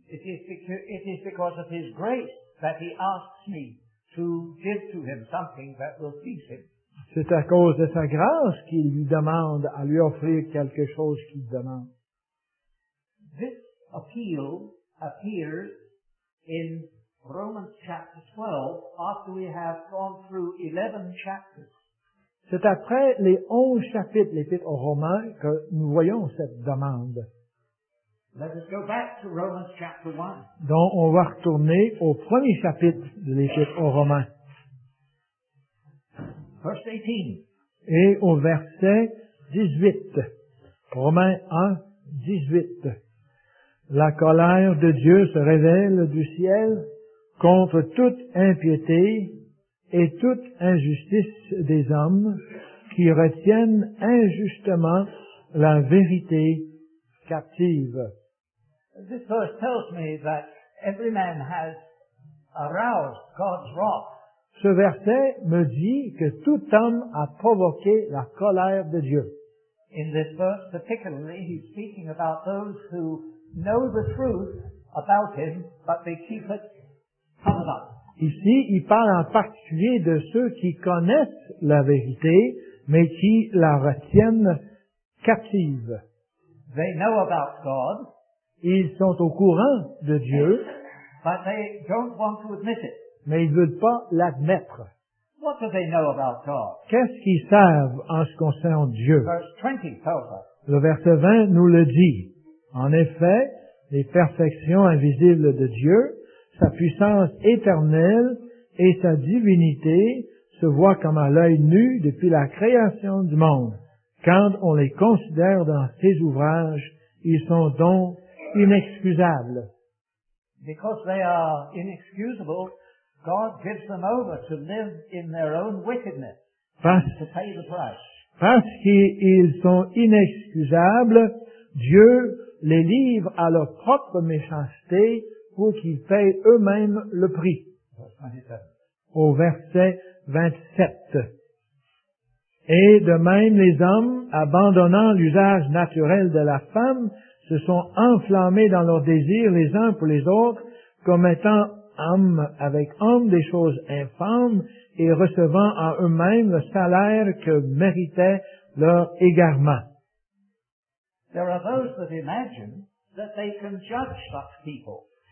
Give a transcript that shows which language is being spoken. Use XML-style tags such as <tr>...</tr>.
<en>It is because of his grace that he asks me to give to him something that will please him.</en> <fr>C'est à cause de sa grâce qu'il lui demande à lui offrir quelque chose qu'il demande.</fr> <en>This appeal appears in Romans chapter 12 after we have gone through 11 chapters.</en> <fr>C'est après les 11 chapitres, l'épître aux Romains, que nous voyons cette demande.</fr> <en>Let us go back to Romans chapter 1.</en> <fr>Donc, on va retourner au premier chapitre de l'épître aux Romains.</fr> <en>Verse 18.</en> <fr>Et au verset 18. Romains 1, 18. La colère de Dieu se révèle du ciel contre toute impiété et toute injustice des hommes qui retiennent injustement la vérité captive.</fr> <en>This verse tells me that every man has aroused God's wrath.</en> <fr>Ce verset me dit que tout homme a provoqué la colère de Dieu.</fr> <en>In this verse particularly, he's speaking about those who know the truth about him, but they keep it covered up.</en> <fr>Ici, il parle en particulier de ceux qui connaissent la vérité, mais qui la retiennent captive.</fr> <en>They know about God.</en> <fr>Ils sont au courant de Dieu.</fr> <en>But they don't want to admit it.</en> <fr>Mais ils ne veulent pas l'admettre.</fr> <en>What do they know about God?</en> <fr>Qu'est-ce qu'ils savent en ce concernant Dieu?</fr> <en>Verse 20 tells us.</en> <fr>Le verset 20 nous le dit. En effet, les perfections invisibles de Dieu, sa puissance éternelle et sa divinité se voient comme à l'œil nu depuis la création du monde. Quand on les considère dans ses ouvrages, ils sont donc inexcusables.</fr> <en>Because they are inexcusable, God gives them over to live in their own wickedness to pay the price.</en> <fr>Parce qu'ils sont inexcusables, Dieu les livre à leur propre méchanceté pour qu'ils payent eux-mêmes le prix. Au verset 27. Et de même, les hommes, abandonnant l'usage naturel de la femme, se sont enflammés dans leurs désirs les uns pour les autres, commettant homme avec homme des choses infâmes et recevant en eux-mêmes le salaire que méritait leur égarement.</fr> <en>There are those that imagine that they can judge such people.</en>